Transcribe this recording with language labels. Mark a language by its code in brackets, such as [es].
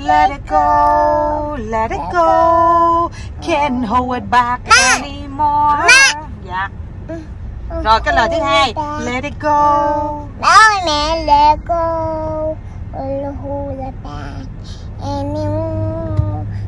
[en] Let it go, can't hold it back anymore. [vi] Dạ. Rồi cái lời thứ hai, [en] let it go. [vi] Đó mẹ, [en] let it go, can't hold it back anymore.